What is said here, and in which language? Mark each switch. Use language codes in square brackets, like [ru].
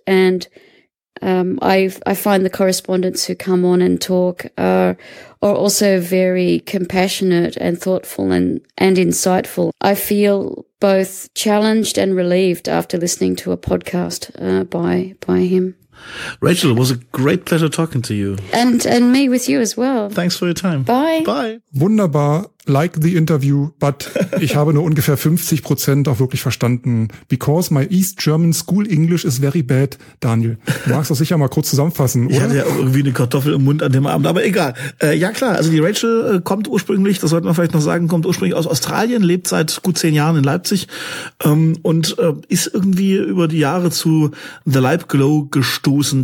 [en] And I find the correspondents who come on and talk are also very compassionate and thoughtful and insightful. I feel both challenged and relieved after listening to a podcast by him. Rachel, it was a great pleasure talking to you. And me with you as well. Thanks for your time. Bye. Bye. [de] Wunderbar. [en] Like the interview, but [de] ich habe nur ungefähr 50% auch wirklich verstanden. [en] Because my East German school English is very bad, Daniel. [de] Du magst das sicher mal kurz zusammenfassen, oder? Ich hatte ja irgendwie eine Kartoffel im Mund an dem Abend, aber egal. Ja klar, also die Rachel kommt ursprünglich, das sollte man vielleicht noch sagen, kommt ursprünglich aus Australien, lebt seit gut 10 Jahren in Leipzig und ist irgendwie über die Jahre zu The Leip Glow gestoßen.